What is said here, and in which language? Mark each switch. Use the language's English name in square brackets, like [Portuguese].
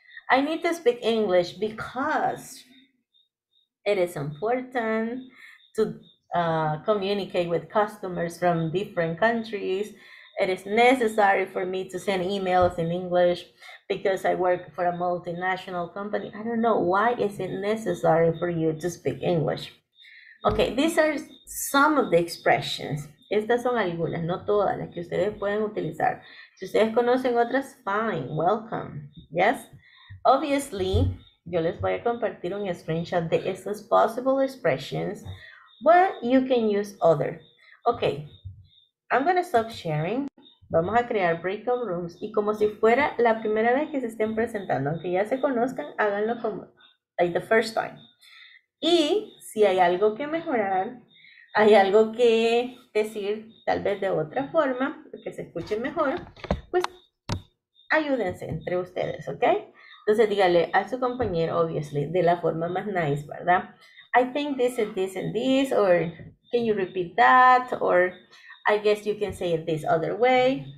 [English] I need to speak English because it is important to communicate with customers from different countries. It is necessary for me to send emails in English because I work for a multinational company. I don't know, why is it necessary for you to speak English? Okay, these are some of the expressions. [Spanish] Estas son algunas, no todas, las que ustedes pueden utilizar. Si ustedes conocen otras, fine, welcome, yes? [English] Obviously, yo les voy a compartir un screenshot de estas possible expressions, but you can use other. Okay. I'm going to stop sharing. Vamos a crear breakout rooms. [Spanish] Y como si fuera la primera vez que se estén presentando, aunque ya se conozcan, háganlo como like the first time. Y si hay algo que mejorar, hay algo que decir tal vez de otra forma, que se escuche mejor, pues ayúdense entre ustedes, ¿ok? Entonces dígale a su compañero, obviously, de la forma más nice, ¿verdad? [English] I think this and this and this, or can you repeat that, or I guess you can say it this other way.